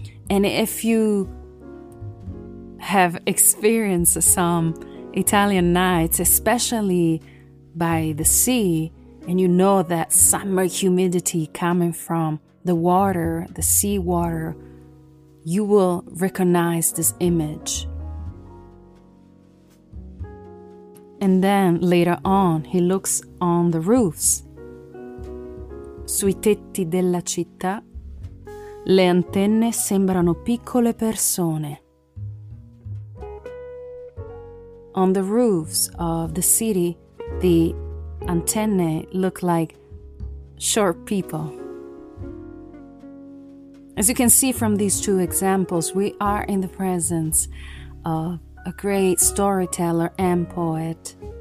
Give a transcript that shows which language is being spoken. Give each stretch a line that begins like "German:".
English: And if you have experienced some Italian nights, especially by the sea, and you know that summer humidity coming from the water, the seawater, you will recognize this image. And then later on, he looks on the roofs.
Italian: Sui tetti della città, le antenne sembrano piccole persone.
English: On the roofs of the city, the antenne look like short people. As you can see from these two examples, we are in the presence of a great storyteller and poet.